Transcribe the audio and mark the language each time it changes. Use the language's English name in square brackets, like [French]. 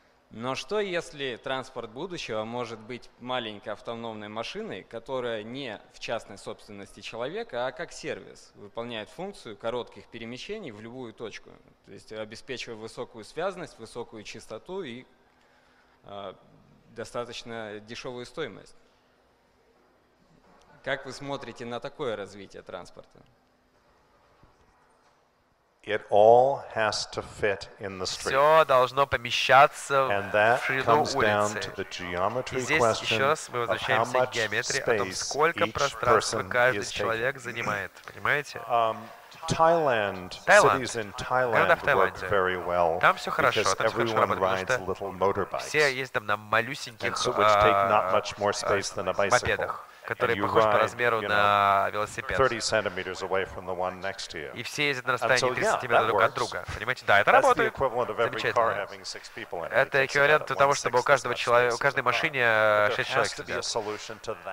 [Russian] Но что, если транспорт будущего может быть маленькой автономной машиной, которая не в частной собственности человека, а как сервис, выполняет функцию коротких перемещений в любую точку, то есть обеспечивая высокую связность, высокую частоту и достаточно дешевую стоимость? Как вы смотрите на такое развитие транспорта? [English] It all has to fit in the street. [Russian] Все должно помещаться в ширину улицы. И здесь еще раз мы возвращаемся к геометрии, о том, сколько пространства каждый человек занимает. Понимаете? [English] Thailand, cities in Thailand work very well, because everyone rides little motorbikes, which take not much more space than a bicycle. [Russian] Который похож по размеру на велосипед. И все ездят на расстоянии 30 сантиметров друг от друга. Понимаете? Да, это работает. Замечательно. Это эквивалент того, чтобы у каждого человека, у каждой машины 6 человек сидят.